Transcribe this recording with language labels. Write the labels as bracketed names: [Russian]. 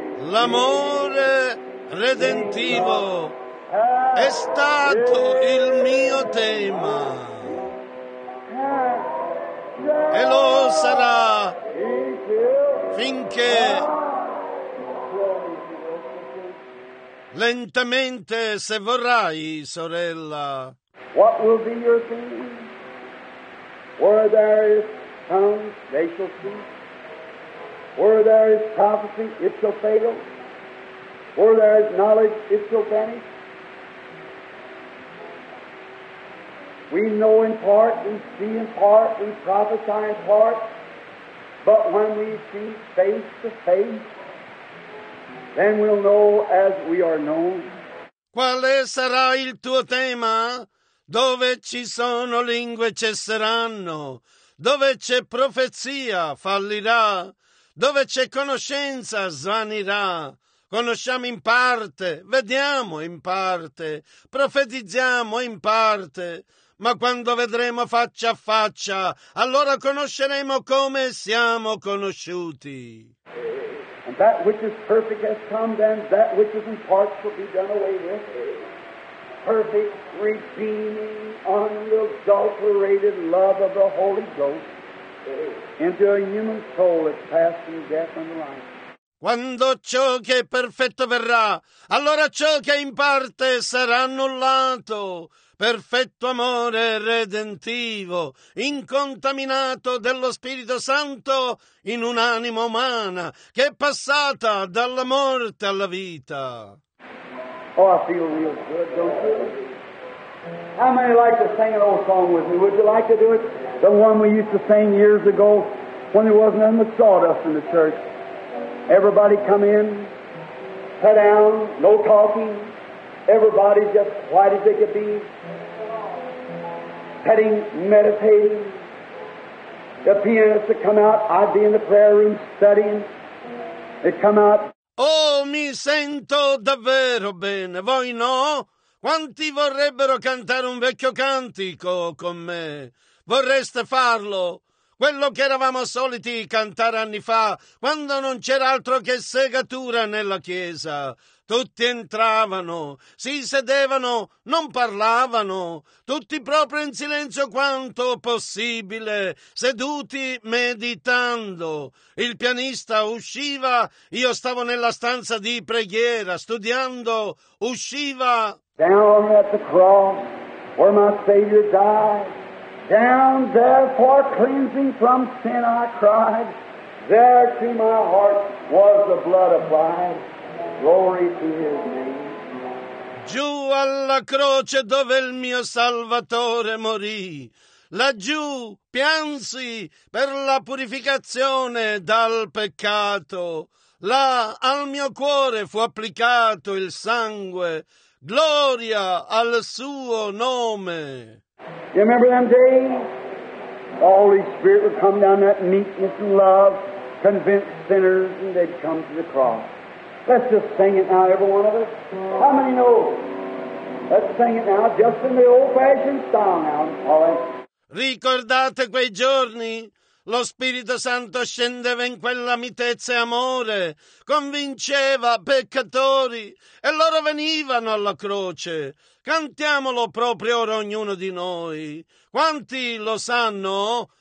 [Italian] L'amore redentivo è stato il mio tema e lo sarà finché lentamente, se vorrai, sorella. [English] What will be your theme? Where there is tongues, they shall speak. Where there is prophecy, it shall fail. Where there is knowledge, it shall vanish. We know in part, we see in part, we prophesy in part, but when we see face to face, then we'll know as we are known. [Italian] Quale sarà il tuo tema? Dove ci sono lingue cesseranno, dove c'è profezia fallirà, dove c'è conoscenza svanirà. Conosciamo in parte, vediamo in parte, profetizziamo in parte, ma quando vedremo faccia a faccia, allora conosceremo come siamo conosciuti. [English] And that which is perfect has come, then that which is in part shall be done away with. Perfect, redeeming, unadulterated love of the Holy Ghost into a human soul that's passing death and life. [Italian] Quando ciò che è perfetto verrà, allora ciò che in parte sarà annullato. Perfetto amore redentivo, incontaminato dello Spirito Santo in un'anima umana che è passata dalla morte alla vita. [English] Oh, I feel real good, don't you? How many like to sing an old song with me? Would you like to do it? The one we used to sing years ago when there wasn't any sawdust in the church. Everybody come in, sit down, no talking. Everybody just white as they could be, sitting, meditating. The pianist would come out, I'd be in the prayer room studying. They'd come out. [Italian] Oh, mi sento davvero bene, voi no? Quanti vorrebbero cantare un vecchio cantico con me? Vorreste farlo? Quello che eravamo soliti cantare anni fa, quando non c'era altro che segatura nella chiesa. Tutti entravano, si sedevano, non parlavano, tutti proprio in silenzio quanto possibile, seduti meditando. Il pianista usciva, io stavo nella stanza di preghiera, studiando, usciva. [English] Down at the cross, where my Savior died. Down there for cleansing from sin I cried. There to my heart was the blood applied. Glory to his name. [Italian] Giù alla croce dove il mio Salvatore morì. Laggiù piansi per la purificazione dal peccato. Là al mio cuore fu applicato il sangue. Gloria al suo nome. [English] You remember them days? The Holy Spirit would come down that meekness and love, convince sinners, and they'd come to the cross. Let's just sing it now, every one of us. How many know? Let's sing it now, just in the old-fashioned style now, all right? [Italian] Ricordate quei giorni? Lo Spirito Santo scendeva in quella mitezza e amore, convinceva peccatori, e loro venivano alla croce. Cantiamolo proprio ora ognuno di noi. Quanti lo sanno?